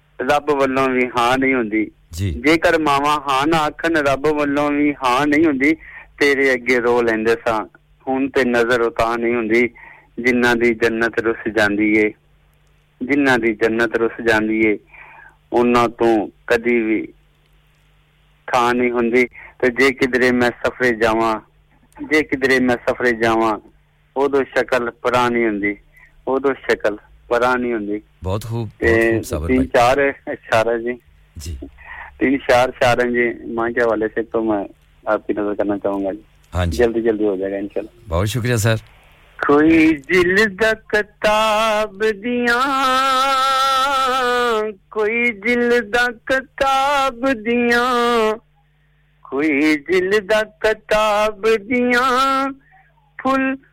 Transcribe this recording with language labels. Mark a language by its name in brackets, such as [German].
[Punjabi] رب والوں وی ہاں نہیں ہوندی جے کر ماواں ہاں نہ آکھن رب والوں وی ہاں نہیں ہوندی تیرے اگے رو لیندے ساں ہن تے نظر اتاں نہیں ہوندی جنہاں دی جنت رس جاندی اے جنہاں دی جنت رس جاندی اے انہاں توں کدی وی تھاں نہیں ہوندی جے کدھرے میں سفرے جاواں جے کدھرے میں سفرے جاواں اودو شکل پرانی ہوندی اودو شکل پرانی ہوندی [Urdu] بہت خوب تین چار اشارہ جی جی تین چار اشارے جی ماں کے حوالے سے تو میں آپ کی نظر کرنا چاہوں گا جی ہاں جی جلدی جلدی ہو جائے گا انشاءاللہ بہت شکریہ سر [Punjabi] کوئی جلد کتاب دیاں کوئی جلد کتاب دیاں کوئی جلد کتاب دیاں پھل